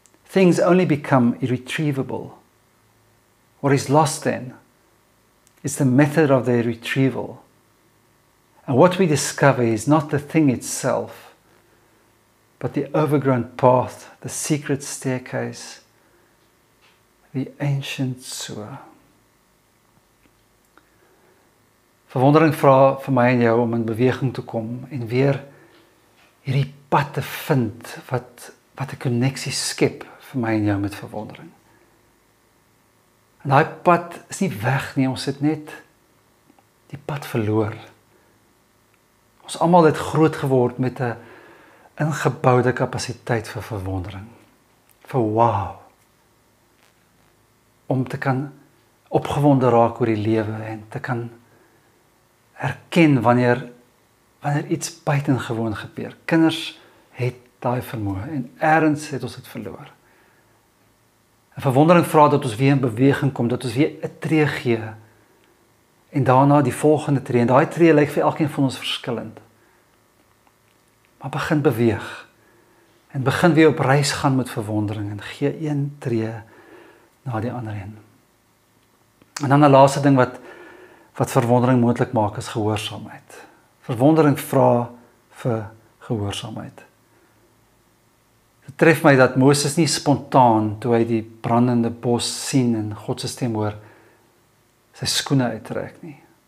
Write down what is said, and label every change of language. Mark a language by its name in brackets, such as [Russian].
[English] Things only become irretrievable. What is lost then is the method of their retrieval. And what we discover is not the thing itself, but the overgrown path, the secret staircase, the ancient sewer. [Afrikaans] Verwondering vra vir my en jou om in beweging te kom en weer hierdie pad te vind wat 'n koneksie skep vir my en jou met verwondering. En daai pad is nie weg nie, ons het net die pad verloor. Ons almal het groot geword met 'n ingeboude kapasiteit vir verwondering. Vir wow. Om te kan opgewonde raak oor die lewe en te kan erken wanneer iets buitengewoon gebeur. Kinders het daai vermoë en ergens het ons dit verloor. En verwondering vra dat ons weer in beweging kom, dat ons weer 'n tree gee en daarna die volgende tree. En daai tree lyk vir elkeen van ons verskillend. Maar begin beweeg en begin weer op reis gaan met verwondering en gee een tree na die ander een. En dan 'n laaste ding wat verwondering moontlik maak is gehoorsaamheid. Verwondering vra vir gehoorsaamheid. Dit tref my dat Moses nie spontaan toe hy die brandende bos sien en God se stem hoor, sy skoene uittrek nie.